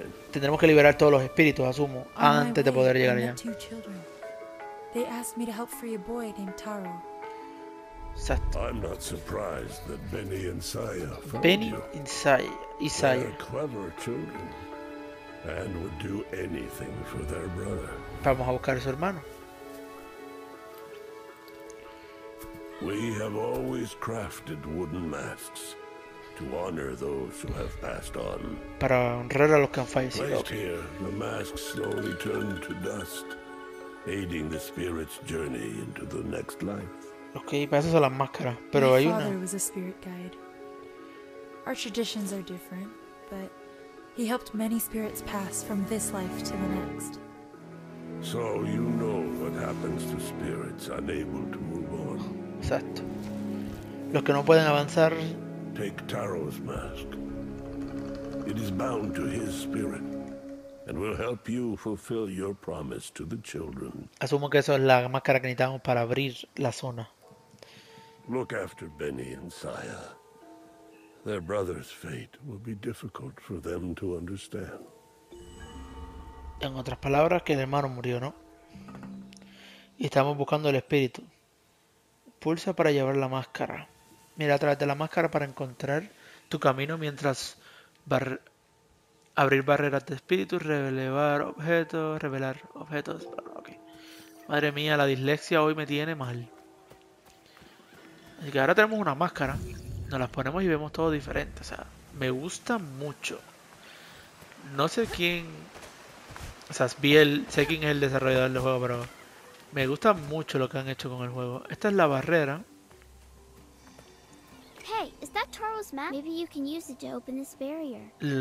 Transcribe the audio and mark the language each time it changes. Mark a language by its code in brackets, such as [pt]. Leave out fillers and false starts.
[es] Tendremos que liberar todos los espíritus, asumo, antes de poder llegar allá. [en] They asked me to help free a boy named Taro. I'm not surprised that Benny and Saya found Benny you. And Saya. They're clever children and would do anything for their brother. [es] Vamos a buscar a su hermano. [en] We have always crafted wooden masks to honor those who have passed on. [es] Para honrar a los que han fallecido. [en] Placed here, the masks slowly turn to dust. Aiding the spirit's journey into the next life. [es] Okay, para eso son las máscaras, pero hay una. [en] My father was a spirit guide. Our traditions are different, but he helped many spirits pass from this life to the next. So you know what happens to spirits unable to move on. [es] Exacto. Los que no pueden avanzar. [en] Take Taro's mask. It is bound to his spirit. And will help you fulfill your promise to the children. [es] Asumo que eso es la máscara que necesitamos para abrir la zona. [en] Look after Benny and Saya. Their brother's fate will be difficult for them to understand. [es] En otras palabras, que el hermano murió, ¿no? Y estamos buscando el espíritu. Pulsa para llevar la máscara. Mira a través de la máscara para encontrar tu camino mientras abrir barreras de espíritu, revelar objetos. Okay. Madre mía, la dislexia hoy me tiene mal. Así que ahora tenemos una máscara. Nos las ponemos y vemos todo diferente. O sea, me gusta mucho. No sé quién. O sea, sé quién es el desarrollador del juego, pero me gusta mucho lo que han hecho con el juego. Esta es la barrera. [en] Hey, is that Taro's map? Maybe you can use it to open this barrier.